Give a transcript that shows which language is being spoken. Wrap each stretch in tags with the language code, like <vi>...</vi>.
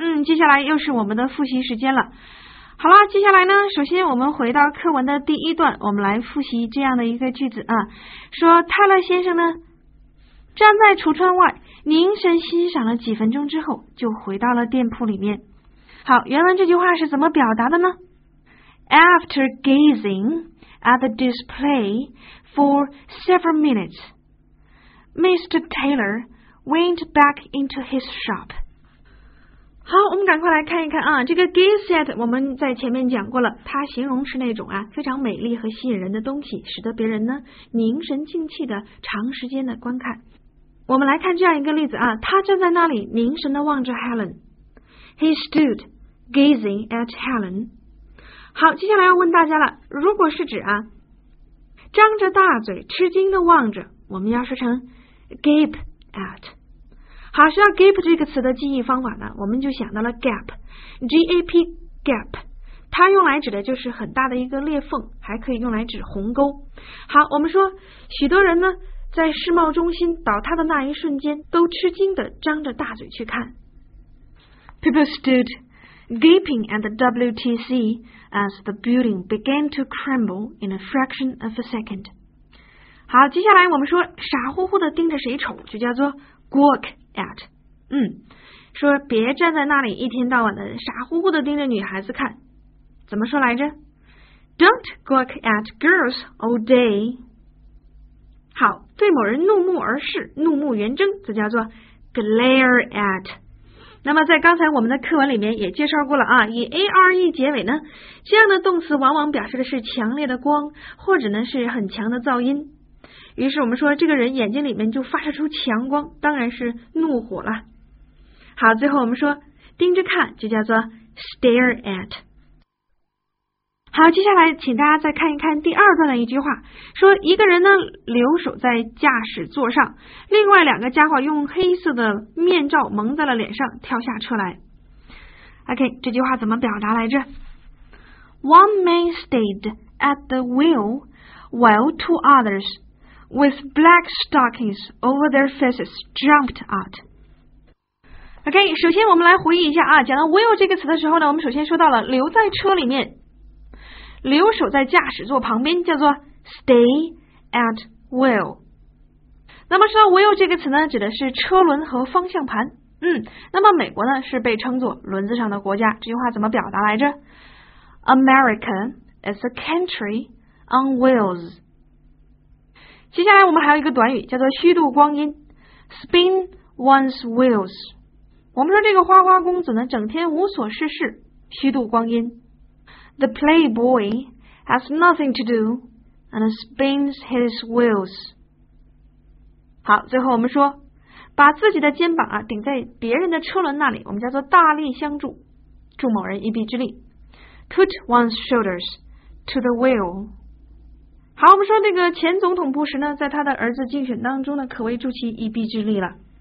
<zh>接下来又是我们的复习时间了。好了，接下来呢，首先我们回到课文的第一段，我们来复习这样的一个句子啊，说泰勒先生呢，站在橱窗外，凝神欣赏了几分钟之后，就回到了店铺里面。好，原文这句话是怎么表达的呢？</zh> <en>After gazing at the display for several minutes, Mr. Taylor went back into his shop.</en> <zh>好，我们赶快来看一看啊，这个 gaze at 我们在前面讲过了，它形容是那种啊非常美丽和吸引人的东西，使得别人呢凝神静气的长时间的观看。我们来看这样一个例子啊，他站在那里凝神的望着 Helen。</zh> <en>He stood gazing at Helen。</en> <zh>好，接下来要问大家了，如果是指啊张着大嘴吃惊的望着，我们要说成 gape at。好，需要 gap 这个词的记忆方法呢，我们就想到了 gap， 它用来指的就是很大的一个裂缝，还可以用来指鸿沟。好，我们说许多人呢在世贸中心倒塌的那一瞬间都吃惊的张着大嘴去看。</zh> <en>People stood gaping at the WTC as the building began to crumble in a fraction of a second。</en> <zh>好，接下来我们说傻乎乎的盯着谁瞅，就叫做 gawk at， 说别站在那里一天到晚的傻乎乎的盯着女孩子看，怎么说来着？</zh> <en>Don't gawk at girls all day。</en> <zh>好，对某人怒目而视，怒目圆睁，这叫做 glare at。那么在刚才我们的课文里面也介绍过了啊，以 are 结尾呢，这样的动词往往表示的是强烈的光，或者呢是很强的噪音。于是我们说这个人眼睛里面就发射出强光，当然是怒火了。好，最后我们说盯着看就叫做 stare at。好，接下来请大家再看一看第二段的一句话，说一个人呢留守在驾驶座上，另外两个家伙用黑色的面罩蒙在了脸上跳下车来。 OK， 这句话怎么表达来着？</zh> <en>One man stayed at the wheel while two othersWith black stockings over their faces, jumped out.</en> <zh>OK， 首先我们来回忆一下啊，讲到 will 这个词的时候呢，我们首先说到了留在车里面，留守在驾驶座旁边，叫做 stay at wheel。那么说到 will 这个词呢，指的是车轮和方向盘。那么美国呢是被称作轮子上的国家，这句话怎么表达来着 ？</zh> <en>America is a country on wheels.</en> <zh>接下来我们还有一个短语叫做虚度光阴 spin one's wheels。我们说这个花花公子呢整天无所事事，虚度光阴。</zh> <en>The playboy has nothing to do and spins his wheels。</en> <zh>好，最后我们说把自己的肩膀啊顶在别人的车轮那里，我们叫做大力相助，助某人一臂之力。</zh> <en>put one's shoulders to the wheel。</en> <zh>好，我们说那个前总统布什呢，在他的儿子竞选当中呢，可谓助其一臂之力了。</zh>